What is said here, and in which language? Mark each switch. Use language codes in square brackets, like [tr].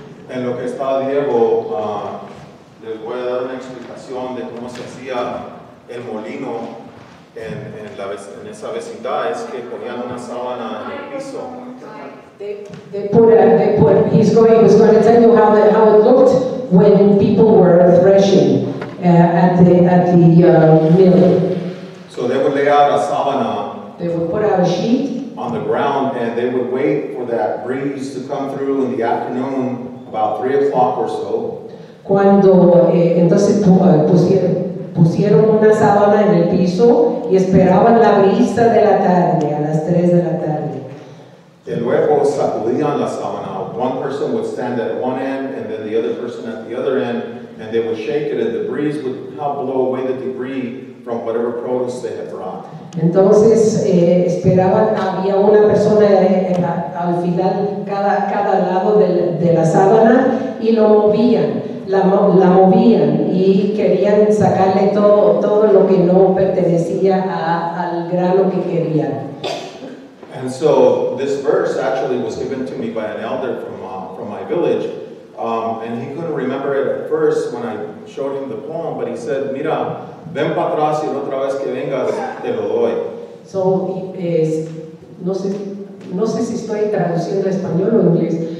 [es] En lo que está Diego, les voy a dar una explicación de cómo se hacía el molino en esa vecindad. Es que ponían una sábana en el piso. [en] They put. He was going to tell you how it looked when people were threshing at the mill. So they would lay out a sábana. They would put out a sheet on the ground, and they would wait for that breeze to come through in the afternoon. About 3 o'clock or so. [es] Cuando entonces pusieron una sábana en el piso y esperaban la brisa de la tarde, a las 3 de la tarde. Y luego sacudían la sábana. [en] One person would stand at one end and then the other person at the other end, and they would shake it, and the breeze would help blow away the debris from whatever produce they had brought. [es] Entonces esperaban, había una persona al final cada lado de la sábana y lo movían, la movían y querían sacarle todo lo que no pertenecía al grano que querían. [en] And so this verse actually was given to me by an elder from my village, and he couldn't remember it at first when I showed him the poem, but he said, [es] mira, ven para atrás y otra vez que vengas, te lo doy. So, no sé si estoy traduciendo a español o inglés.